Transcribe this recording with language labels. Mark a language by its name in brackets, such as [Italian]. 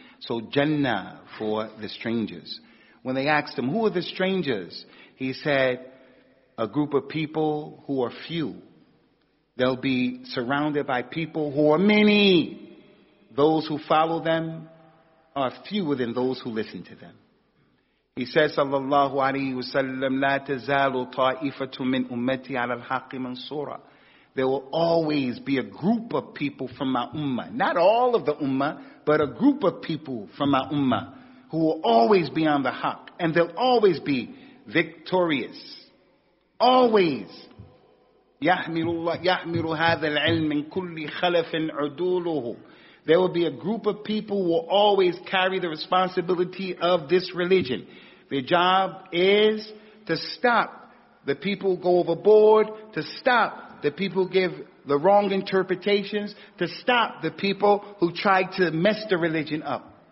[English] So Jannah for the strangers. When they asked him, who are the strangers? He said, a group of people who are few. They'll be surrounded by people who are many. Those who follow them are fewer than those who listen to them. He says, [Arabic] sallallahu alayhi wa sallam, لا تزال طائفة من أمتي على الحق منصورة. [English] There will always be a group of people from my ummah. Not all of the ummah, but a group of people from my ummah who will always be on the haq. And they'll always be victorious. Always. [Arabic] يحمل الله يحمل هذا العلم من كل خلف عدوله. [English] There will be a group of people who will always carry the responsibility of this religion. Their job is to stop the people who go overboard, to stop the people who give the wrong interpretations, to stop the people who try to mess the religion up.